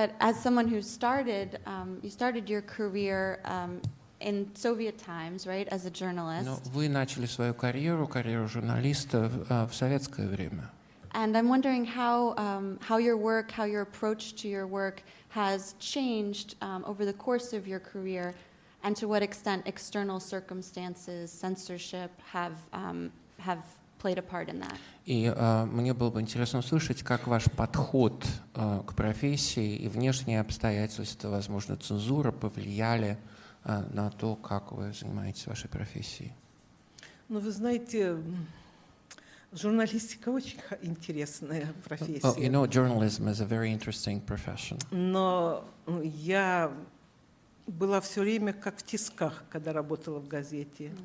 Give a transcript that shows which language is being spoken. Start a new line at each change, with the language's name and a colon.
English: But as someone who started, you started your career in Soviet times, right, as a journalist.
Russian: Но вы начали свою карьеру, карьеру журналиста в советское время.
English: And I'm wondering how your work, how your approach to your work has changed over the course of your career, and to what extent external circumstances, censorship have played a part in that.
Russian: И мне было бы интересно услышать, как ваш подход к профессии и внешние обстоятельства, возможно, цензура, повлияли на то, как вы занимаетесь вашей профессией. Ну, вы знаете, журналистика очень интересная профессия.
English: Well, you know, journalism is a very interesting profession.
Russian: Но я была все время как в тисках, когда работала в газете.